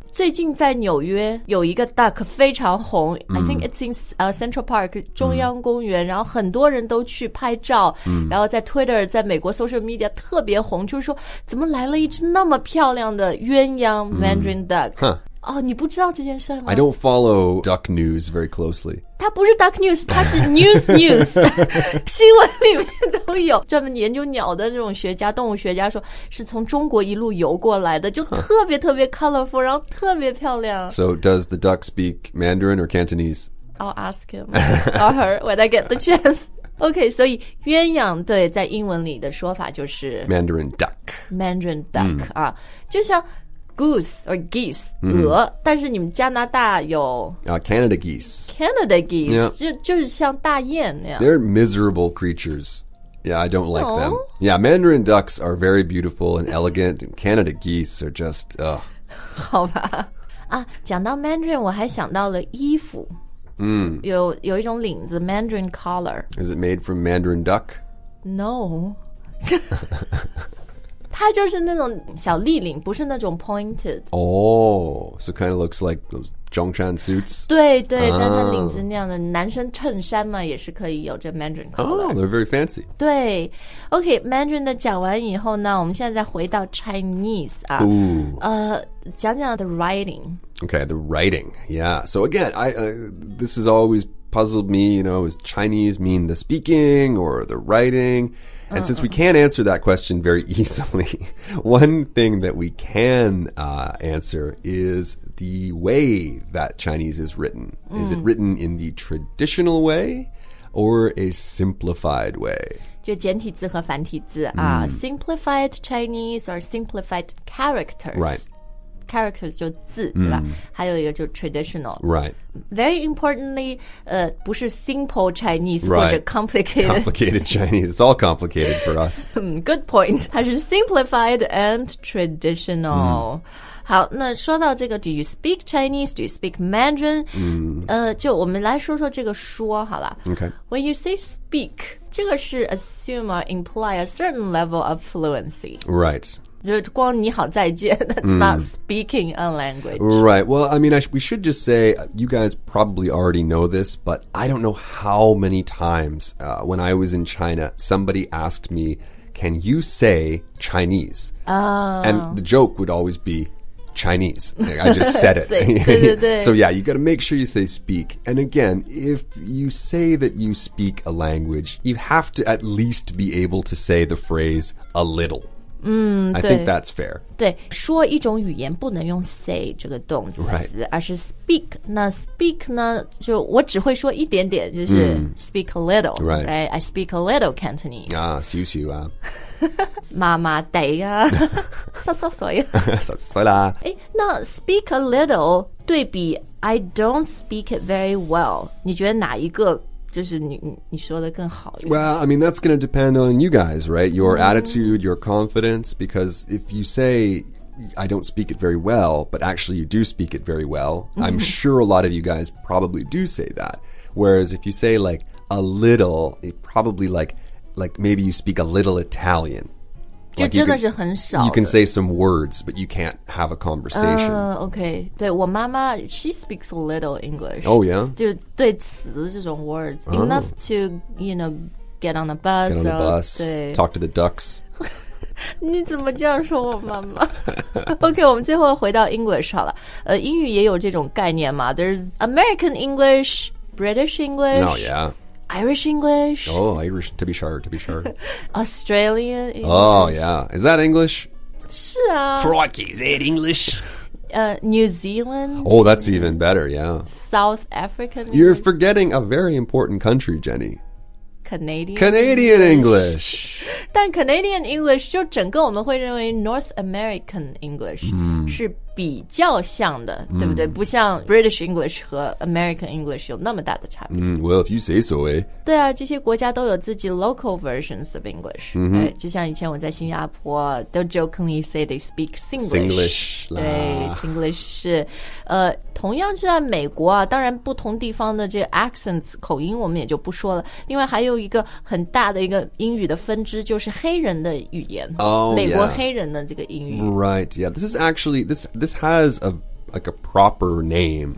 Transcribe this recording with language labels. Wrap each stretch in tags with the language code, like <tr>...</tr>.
<zh>最近在纽约有一个 duck 非常红、</zh> <en>I think it's in、</en> <zh>Central Park, 中央公园、然后很多人都去拍照、然后在 Twitter, 在美国 social media 特别红就是说怎么来了一只那么漂亮的鸳鸯 Mandarin duck?、你不知道这件事吗</zh> <en>I don't follow duck news very closely.</en> <zh>它不是</zh> <en>duck news,</en> <zh>它是</zh> <en>news news.</en> <zh>新闻里面都有。专门研究鸟的这种学家动物学家说是从中国一路游过来的就特别特别 colorful, 然后特别漂亮。</zh> <en>So does the duck speak Mandarin or Cantonese? I'll ask him or her when I get the chance.</en> <zh>Okay, 所以鸳鸯对在英文里的说法就是</zh> <en>Mandarin duck. Mandarin duck,、mm. 啊、</en> <zh>就像</zh> <en>goose or geese,、mm.</en> <zh>鹅，但是你们加拿大有、</zh> <en>Canada geese. Canada geese,、</en> <zh>yeah. 就是像大雁那样。</zh> <en>They're miserable creatures. Yeah, I don't like、oh. them. Yeah, Mandarin ducks are very beautiful and elegant, and Canada geese are just, ugh.</en> <zh>好吧。啊，讲到 Mandarin, 我还想到了衣服。 Mm. 有一种领子 Mandarin collar.</zh> <en>Is it made from Mandarin duck? No.</en> <zh>它就是那种小立领，不是那种 pointed.</zh> <en>Oh, so kind of looks like those Zhongshan suits.</en> <zh>对对、ah. 但它领子那样的男生衬衫嘛也是可以有着 Mandarin collar.</zh> <en>Oh, they're very fancy.</en> <zh>对 OK, Mandarin 的讲完以后呢，我们现在再回到 Chinese 啊。 Ooh. 讲讲</zh> <en>the writing. Okay, the writing, yeah. So again, this has always puzzled me, you know, is Chinese mean the speaking or the writing? And、uh-huh. since we can't answer that question very easily, one thing that we can、answer is the way that Chinese is written.、Mm. Is it written in the traditional way or a simplified way?</en> <zh>就简体字和繁体字啊、mm.</zh> <en>Simplified Chinese or simplified characters. Right.</en> <zh>Characters 就字、mm. 对吧还有一个就 traditional</zh> <en>Right Very importantly</en> <zh>不是</zh> <en>simple Chinese、 right.</en> <zh>或者 complicated</zh> <en>Complicated Chinese It's all complicated for us Good point</en> <zh>它是</zh> <en>simplified and traditional、mm.</en> <zh>好那说到这个</zh> <en>Do you speak Chinese? Do you speak Mandarin?、 Mm.</en> <zh>就我们来说说这个说好了</zh> <en>Okay When you say speak</en> <zh>这个是</zh> <en>assume or imply a certain level of fluency Right</en> <zh>就光你好再见</zh> <en>That's、</en> <zh>mm.</zh> <en>not speaking a language Right, well, I mean, we should just say You guys probably already know this But I don't know how many times、When I was in China Somebody asked me Can you say Chinese?、 Oh. And the joke would always be Chinese I just said it</en> <zh>对对对</zh> <en>So yeah, you gotta make sure you say speak And again, if you say that you speak a language You have to at least be able to say the phrase A little 嗯、 I think that's fair.</en> <zh>对说一种语言不能用 say 这个动词、</zh> <en>right.</en> <zh>而是 speak. 那 speak 呢就我只会说一点点就是、mm.</zh> <en>speak a little. Right. right. I speak a little Cantonese.</en> <zh>Ah, 羞羞啊。妈妈得啊。哈哈哈哈。哈哈哈。</zh> <en>那 speak a little</en> <zh>对比</zh> <en>I don't speak it very well.</en> <zh>你觉得哪一个就是你说的更好一点</zh> <en>Well, I mean, that's going to depend on you guys, right? Your、mm-hmm. attitude, your confidence Because if you say I don't speak it very well But actually you do speak it very well I'm sure a lot of you guys probably do say that Whereas if you say like a little it Probably like maybe you speak a little Italian</en> <zh>就真的是很少</zh> <en>You can say some words But you can't have a conversation Okay,</en> <zh>对我妈妈</zh> <en>She speaks a little English Oh yeah?</en> <zh>就是对词这种 words、oh.</zh> <en>Enough to, you know, get on the bus Get on the bus Talk to the ducks</en> <zh>你怎么这样说我妈妈 Okay, 我们最后回到 English 好了、英语也有这种概念嘛</zh> <en>There's American English British English Oh yeah Irish English. Oh, Irish, to be sure, to be sure. Australian English. Oh, yeah. Is that English?</en> <zh>是啊。</zh> <en>Crikey, is it English? New Zealand. Oh, that's even better, yeah. South African English. You're forgetting a very important country, Jenny. Canadian English.</en> <zh>但 Canadian English 就整个我们会认为</zh> <en>North American English、 mm.</en> <zh>是比较像的、mm. 对不对不像 British English 和 American English 有那么大的差别、</zh> <en>mm. Well, if you say so, eh?</en> <zh>对啊这些国家都有自己</zh> <en>local versions of English、 mm-hmm. right?</en> <zh>就像以前我在新加坡</zh> <en>They'll jokingly say they speak Singlish</en> <zh>对 Singlish 是、同样是在美国啊当然不同地方的这个 accents 口音我们也就不说了另外还有一个很大的一个英语的分支就是黑人的语言、 oh, 美国黑人的这个英语、</zh> <en>yeah. Right, yeah This is actually This has a proper name.</en>